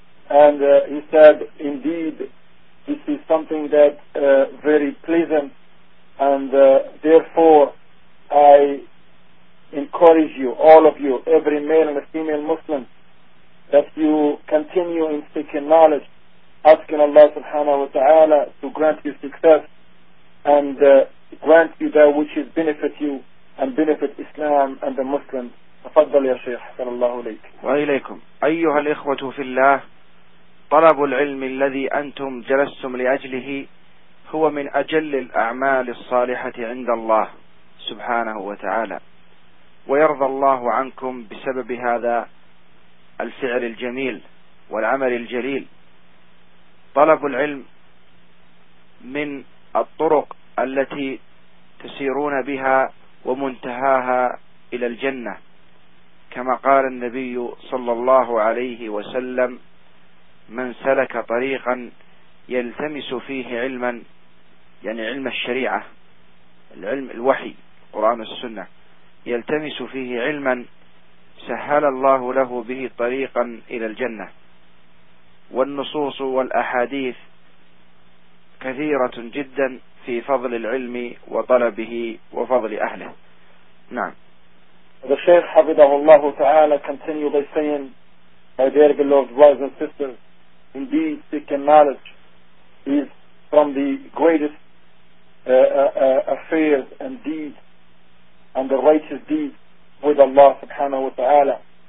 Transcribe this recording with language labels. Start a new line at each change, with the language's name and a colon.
English: And he said, indeed, this is something that very pleasant, and therefore I encourage you, all of you, every male and female Muslim, that you continue in seeking knowledge, asking Allah subhanahu wa ta'ala to grant you success and grant you that which is benefit you and benefit Islam and the Muslims.
Arabic: تفضل يا شيخ صلى الله عليك وإليكم. أيها الإخوة في الله، طلب العلم الذي أنتم جلستم لأجله هو من أجل الأعمال الصالحة عند الله سبحانه وتعالى، ويرضى الله عنكم بسبب هذا الفعل الجميل والعمل الجليل. طلب العلم من الطرق التي تسيرون بها ومنتهاها إلى الجنة، كما قال النبي صلى الله عليه وسلم: من سلك طريقا يلتمس فيه علما، يعني علم الشريعة، العلم الوحي القرآن والسنة، يلتمس فيه علما سهل الله له به طريقا إلى الجنة. والنصوص والأحاديث كثيرة جدا في فضل العلم وطلبه وفضل أهله. نعم.
English: The Shaykh حفظه الله تعالى continue by saying, my dear beloved brothers and sisters, indeed seeking knowledge is from the greatest affairs and deeds and the righteous deeds with Allah subhanahu wa ta'ala.